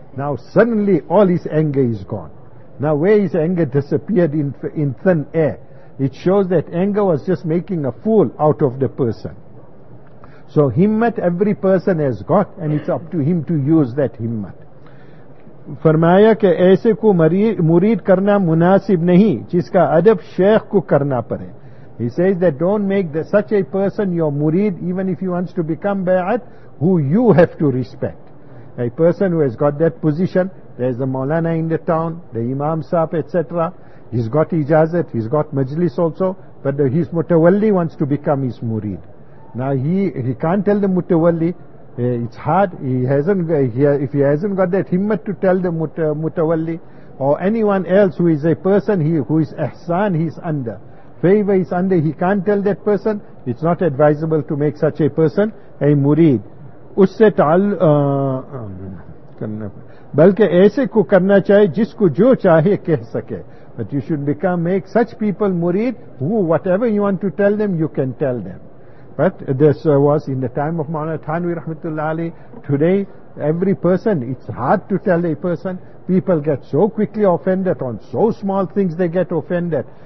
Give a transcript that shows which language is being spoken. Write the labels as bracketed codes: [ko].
[en] Now suddenly all his anger is gone. Now where his anger disappeared in thin air? It shows that anger was just making a fool out of the person. So himmat every person has got, and it's up to him to use that himmat. [ur] فرمایا کہ ایسے کو مرید کرنا مناسب نہیں جس کا ادب شیخ کو کرنا پڑے. [en] He says that don't make such a person your murid, even if he wants to become bayat, who you have to respect. A person who has got that position, there's the maulana in the town, the imam sahab, etc. He's got ijazat, he's got majlis also, but his mutawalli wants to become his murid. Now he can't tell the mutawalli. It's hard. If he hasn't got that himmat to tell the mutawalli or anyone else who is a person, who is ihsan, he's under. Favor is under, he can't tell that person. It's not advisable to make such a person a murid. [ur] Usse ta'al بلکہ ایسے کو کرنا چاہے جس کو جو چاہے کہہ سکے. [en] But you should make such people murid who whatever you want to tell them, you can tell them. But this was in the time of Maulana Thanvi Rahmatullah Ali. Today, every person, it's hard to tell a person. People get so quickly offended on so small things, they get offended.